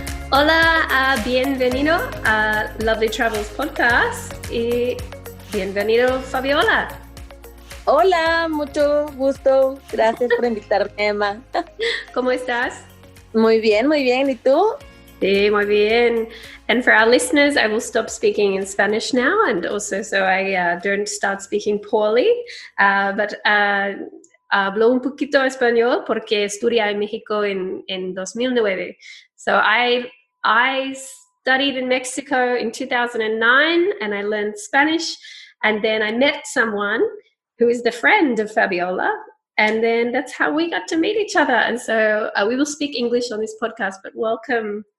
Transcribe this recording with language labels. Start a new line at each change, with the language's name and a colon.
Spanish: Hola, bienvenido a Lovely Travels Podcast y bienvenido Fabiola. Hola, mucho gusto. Gracias por invitarme, Emma. ¿Cómo estás? Muy bien, muy bien. ¿Y tú? Sí, muy bien.
English: And for our listeners, I will stop speaking in Spanish now, and also so I don't start speaking poorly.
Spanish: Hablo un poquito español porque estudié en México en 2009.
English: So I studied in Mexico in 2009 and I learned Spanish, and then I met someone who is the friend of Fabiola, and then that's how we got to meet each other. And so we will speak English on this podcast, but welcome.